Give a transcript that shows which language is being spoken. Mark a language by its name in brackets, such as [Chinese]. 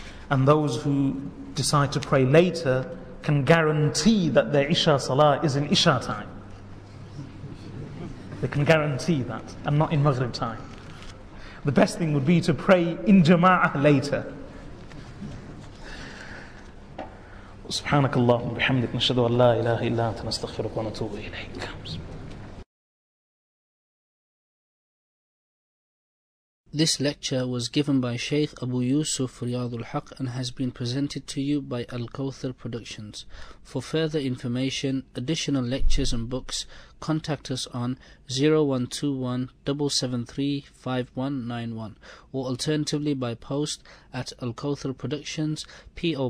[English] And those who decide to pray later can guarantee that their Isha Salah is in Isha time. They can guarantee that, and not in Maghrib time. The best thing would be to pray in Jama'ah later. [Arabic] سبحانك اللهم وبحمدك نشهد أن لا إله إلا أنت نستغفرك ونتوب إليك. [English] This lecture was given by Shaykh Abu Yusuf Riyadh Ul Haq and has been presented to you by Al Kawthar Productions. For further information, additional lectures and books, contact us on 0121-773-5191 or alternatively by post at Al Kawthar Productions, P.O.